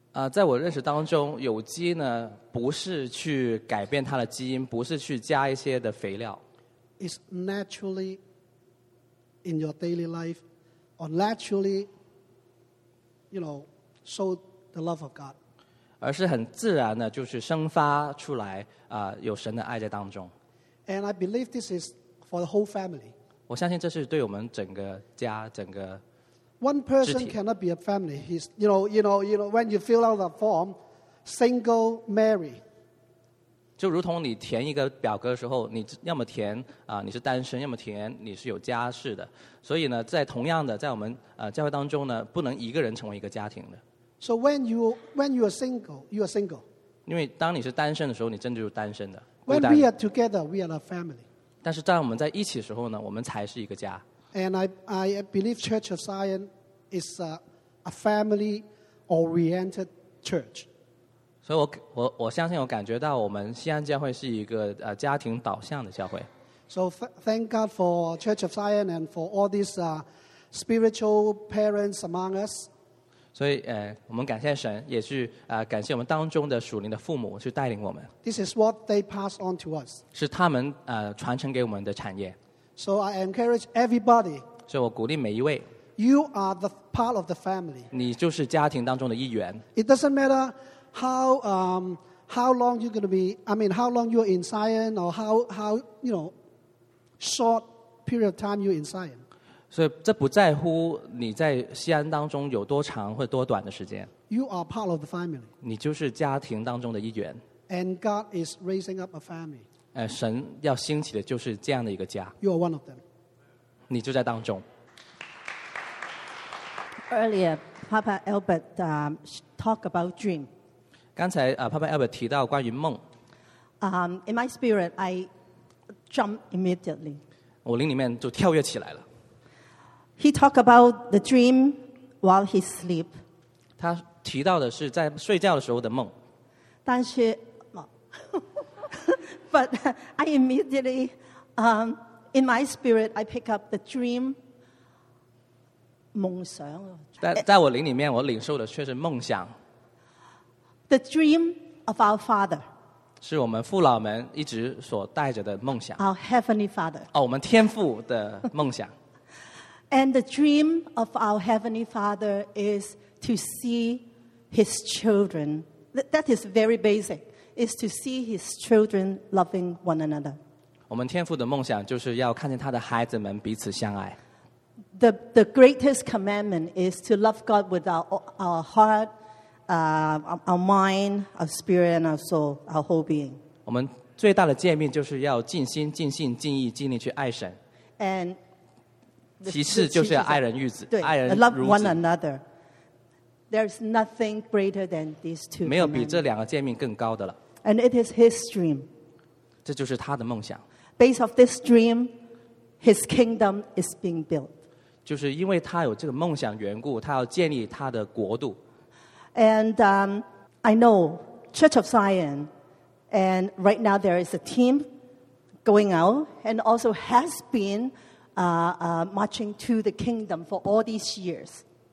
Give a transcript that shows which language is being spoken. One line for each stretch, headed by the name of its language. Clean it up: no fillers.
Chinese: 在我认识当中，有机呢不是去改变它的基因，不是去加一些的肥料。
English: It's naturally in your daily life, or naturally. You know, show the love of God.
Chinese: 而是很自然的，就是生发出来有神的爱在当中。
English: And I believe this is for the whole family.
Chinese: 我相信这是对我们整个家整个。
English: One person cannot be a family. He's you know when you fill out the form, single Mary.
Chinese: 就如同你填一个表格的时候，你要么填你是单身，要么填你是有家室的。所以呢，在同样的，在我们教会当中呢，不能一个人成为一个家庭的。
English: So when you are single, you are single.
Chinese: 因为当你是单身的时候，你真的就是单身的。
English: When we are together, we are a family.
Chinese: 但是在我们在一起的时候呢，我们才是一个家。
English: And I believe Church of Zion is a family-oriented church.
Chinese: 所以我相信，我感觉到我们西安教会是一个家庭导向的教会。
English: So thank God for Church of Zion and for all these spiritual parents among us.
Chinese: 所以我们感谢神，也是感谢我们当中的属灵的父母去带领我们。
English: This is what they pass on to us.
Chinese: 是他们传承给我们的产业。
English: So I encourage everybody.
Chinese: 所以我鼓励每一位。
English: You are the part of the family.
Chinese: 你就是家庭当中的一员。
English: It doesn't matter how long you're going to be. I mean, how long you're in Zion or how you know. Short period of time you in Zion.
Chinese: 所以这不在乎你在西安当中有多长或多短的时间。
English: You are part of the family.
Chinese: 你就是家庭当中的一员。
English: And God is raising up a family.
Chinese: 神要兴起的就是这样的一个家。
English: You are one of them.
Chinese: 你就在当中。
English: Earlier, Papa Albert talked about dream.
Chinese: 刚才Papa Albert 提到关于梦。
English: In my spirit, I jump immediately.
Chinese: 我灵里面就跳跃起来了。
English: He talked about the dream while he sleep.
Chinese: 他提到的是在睡觉的时候的梦。但是
English: ，But I immediately, in my spirit, I pick up the dream.
Chinese: 梦想。在我灵里面，我领受的却是梦想。
English: The dream of our Father.
Chinese: 是我们父老们一直所带着的梦想。
English: Our heavenly Father.
Chinese: 我们天父的梦想。
English: And the dream of our heavenly Father is to see His children. That is very basic. Is to see His children loving one another.
Chinese: 我们天父的梦想就是要看见他的孩子们彼此相爱。
English: The greatest commandment is to love God with our heart. Our mind, our spirit, and our soul, our whole being.
Chinese: 我们最大的诫命就是要尽心、尽性、尽意、尽力去爱神。
English: And
Chinese: 其次就是要爱人如子，爱人如子。
English: Love one another. There's nothing greater than these two.
Chinese: 没有比这两个诫命更高的了。
English: And it is his dream.
Chinese: 这就是他的梦想。
English: Based off this dream, his kingdom is being built.
Chinese: 就是因为他有这个梦想缘故，他要建立他的国度。
English: And I know Church of Zion, and right now there is a team going out and also has been marching to the kingdom for all these years.